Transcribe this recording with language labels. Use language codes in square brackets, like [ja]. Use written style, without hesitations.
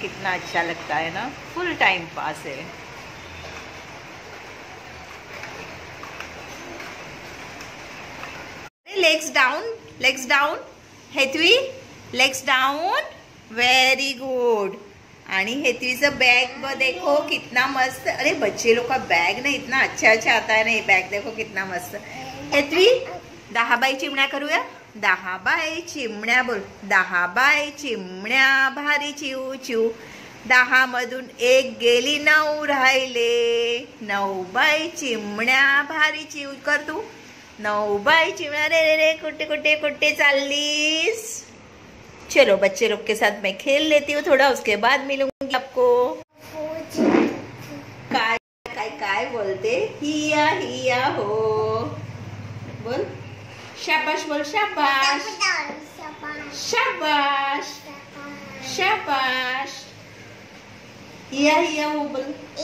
[hi] कितना अच्छा लगता है ना, फुल टाइम पास है। [en] Legs down, legs down, Hetvi legs down, very good. [mr] आणि हेतवीचं बॅग ब [hi] देखो कितना मस्त। अरे बच्चे लोग का बॅग ना इतना अच्छा अच्छा आता है ना, ये बॅग देखो कितना मस्त। [mr] हेतवी दहा बाई चिमण्या करूया, दहा बाई चिमण्या बोल, दहा बाई चिमण्या भारी चिऊ चिऊ, दहा मधून एक गेली नऊ राहिले, नऊ बाई चिमण्या भारी चिऊ कर तू, नऊ बाई चिमण्या, रे रे रे कुठे कुठे कुठे चाललीस। [hi] चलो बच्चे लोग के साथ मैं खेल लेती हूँ थोड़ा, उसके बाद मिलूंगी आपको। [mr] काय काय काय बोलते, हिया हिया हो बोल, शाबाश बोल, शाबाश शाबाश शाबाश, हिया हिया हो बोल।